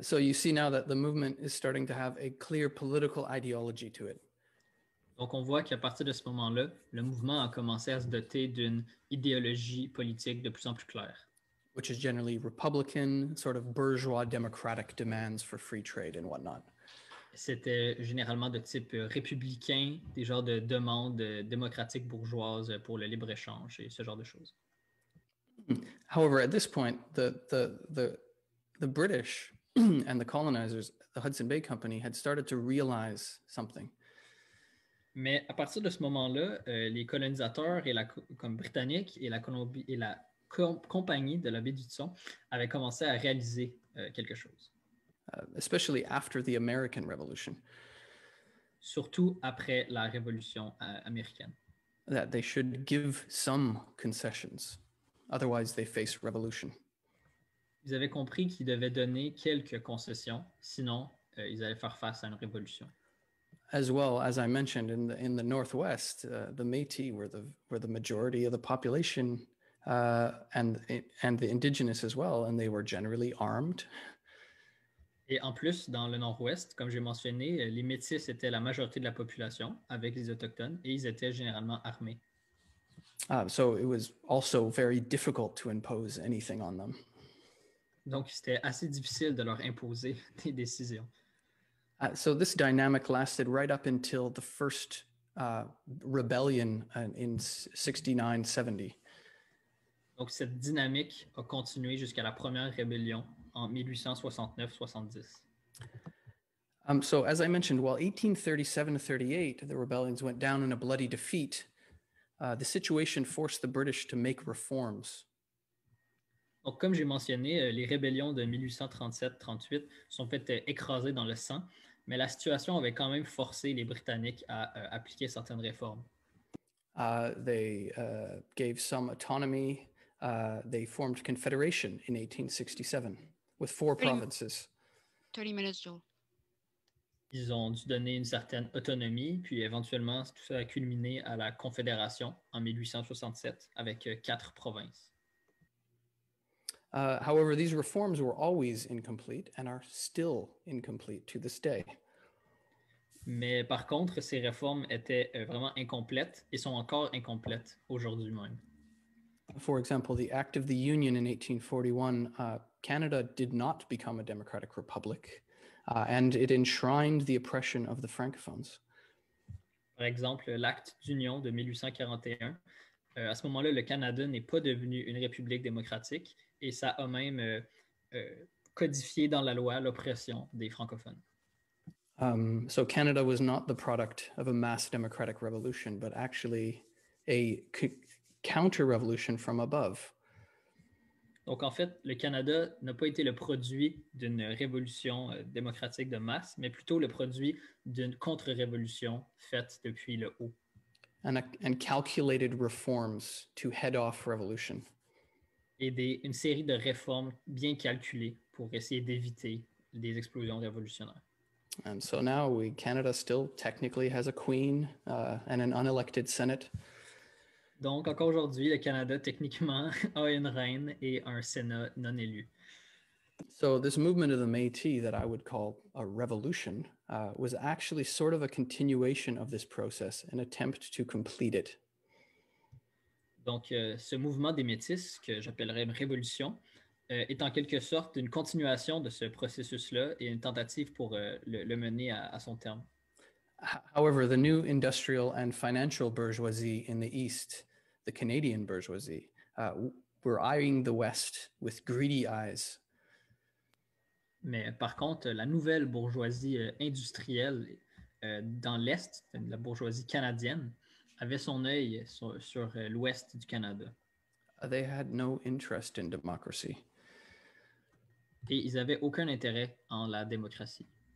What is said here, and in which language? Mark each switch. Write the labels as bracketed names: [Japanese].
[English] So you see now that the movement is starting to have a clear political ideology to it. [French] Donc on voit qu'à partir de ce moment-là, le mouvement a commencé à se doter d'une idéologie politique de plus en plus claire. [English] Which is generally republican, sort of bourgeois democratic demands for free trade and whatnot. [French] C'était généralement de type républicain, des genres de demandes démocratiques bourgeoises pour le libre-échange et ce genre de choses. [English] However, at this point, the British and the colonizers, the Hudson Bay Company, had started to realize something. [French] Mais à partir de ce moment-là, les colonisateurs et comme Britannique et la Colombie et la compagnie de la baie du Tson avaient commencé à réaliser quelque chose. [English] Especially after the American Revolution. [French] Surtout après la Révolution américaine. [English] That they should give some concessions, otherwise they face revolution. [French] Ils avaient compris qu'ils devaient donner quelques concessions, sinon ils allaient faire face à une révolution. [English] As well, as I mentioned, in the Northwest, the Métis were the majority of the population and the indigenous as well, and they were generally armed. [French] Et en plus, dans le Nord-Ouest, comme j'ai mentionné, les Métis étaient la majorité de la population avec les Autochtones et ils étaient généralement armés. [English] So it was also very difficult to impose anything on them. [French] Donc, c'était assez difficile de leur imposer des décisions. [English] So this dynamic lasted right up until the first rebellion in 69-70. [French] Donc, cette dynamique a continué jusqu'à la première rébellion en 1869-70. [English] So as I mentioned, while 1837-38, the rebellions went down in a bloody defeat, the situation forced the British to make reforms. [French] Donc, comme j'ai mentionné, les rébellions de 1837-38 sont faites écraser dans le sang, mais la situation avait quand même forcé les Britanniques à appliquer certaines réformes. [English] They gave some autonomy. They formed confederation in 1867 with four provinces. 30 minutes, Joel. [French] Ils ont dû donner une certaine autonomie, puis éventuellement, tout ça a culminé à la confédération en 1867 avec quatre provinces. [English] However, these reforms were always incomplete and are still incomplete to this day. [French] Mais par contre, ces réformes étaient vraiment incomplètes et sont encore incomplètes aujourd'hui même. [English] For example, the Act of the Union in 1841, Canada did not become a democratic republic, and it enshrined the oppression of the francophones. [French] Par exemple, l'Acte d'Union de 1841, à ce moment-là, le Canada n'est pas devenu une république démocratique, et ça a même codifié dans la loi l'oppression des francophones. [English] So Canada was not the product of a mass democratic revolution, but actually a counter-revolution from above. [French] Donc en fait, le Canada n'a pas été le produit d'une révolution démocratique de masse, mais plutôt le produit d'une contre-révolution faite depuis le haut. [English] And calculated reforms to head off revolution. [French] Et une série de réformes bien calculées pour essayer d'éviter des explosions révolutionnaires. [English] And so now Canada still technically has a queen and an unelected senate. [French] Donc, encore aujourd'hui, le Canada, techniquement, a une reine et un Sénat non élu. [English] So, this movement of the Métis that I would call a revolution was actually sort of a continuation of this process, an attempt to complete it. [French] Donc, ce mouvement des Métis, que j'appellerais une révolution, est en quelque sorte une continuation de ce processus-là et une tentative pour le mener à son terme. [English] However, the new industrial and financial bourgeoisie in the East, the Canadian bourgeoisie, were eyeing the West with greedy eyes. [French] Mais par contre, la nouvelle bourgeoisie industrielle dans l'Est, la bourgeoisie canadienne, avait son œil sur l'Ouest du Canada. [English] They had no interest in democracy. [French] Et ils avaient aucun intérêt en la démocratie.